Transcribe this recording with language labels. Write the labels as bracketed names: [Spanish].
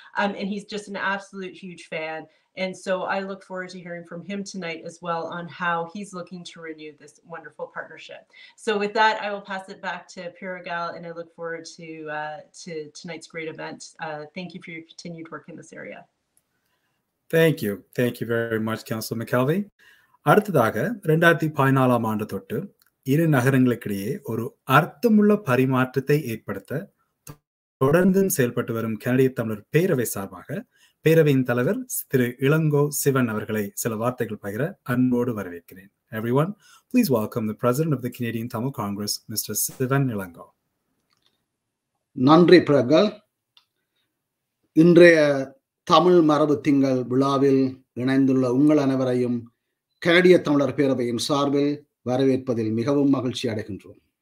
[English] And he's just an absolute huge fan. And so I look forward to hearing from him tonight as well on how he's looking to renew this wonderful partnership. So with that, I will pass it back to Paragal, and I look forward to tonight's great event. Thank you for your continued work in this area. Thank you. Thank you very much, Councillor McKelvie. [Tamil] அடுத்ததாக 2014 தொட்டு இரு நகரங்களுக்கிடையே ஒரு அர்த்தமுள்ள பரிமாற்றத்தை ஏற்படுத்த தொடர்ந்தும் செயல்பட்டு வரும் கனடிய தமிழர் பேரவை சார்பாக பேரவையின் தலைவர் திரு இளங்கோ சிவன் அவர்களை சில வார்த்தைகள் பகிர அன்போடு வரவேற்கிறேன். [English] Everyone, please welcome the President of the Canadian Tamil Congress, Mr. Sivan Ilango. [Tamil] நன்றி பிரகல். இன்றைய தமிழ் மரபு திங்கள் விழாவில் இணைந்துள்ள உங்கள் அனைவரையும் கனடிய தமிழர் பேரவையின் சார்பில் வரவேற்பதில் மிகவும் மகிழ்ச்சி அடைகின்றோம்.